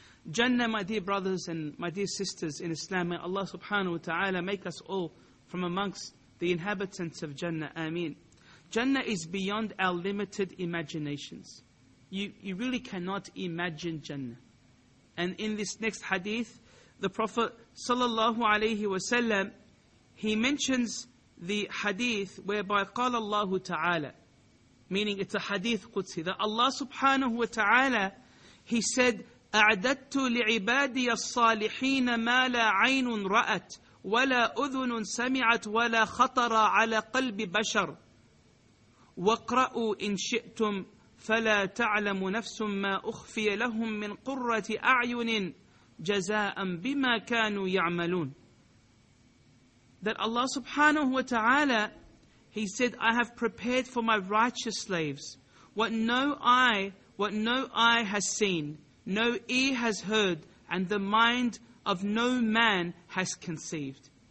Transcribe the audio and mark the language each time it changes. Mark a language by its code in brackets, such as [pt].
[en] Jannah, my dear brothers and my dear sisters in Islam, may Allah subhanahu wa ta'ala make us all from amongst the inhabitants of Jannah. Ameen. Jannah is beyond our limited imaginations. You really cannot imagine Jannah. And in this next hadith, the Prophet sallallahu alayhi wa sallam, he mentions the hadith whereby [ar] قال الله تعالى, [en] meaning it's a hadith Qudsi, that Allah subhanahu wa ta'ala, He said, [ar] أَعْدَدْتُ لِعِبَادِيَ الصَّالِحِينَ مَا لَا عَيْنٌ رَأَتْ وَلَا أُذُنٌ سَمِعَتْ وَلَا خَطَرَ عَلَى قَلْبِ بَشَرٍ وَقْرَأُوا إِنْ شِئْتُمْ فَلَا تَعْلَمُ نَفْسٌ مَا أُخْفِيَ لَهُمْ مِنْ قُرَّةِ أَعْيُنٍ جَزَاءً بِمَا كَانُوا يَعْمَلُونَ. [en] That Allah subhanahu wa ta'ala, He said, I have prepared for my righteous slaves what no eye has seen, no ear has heard, and the mind of no man has conceived.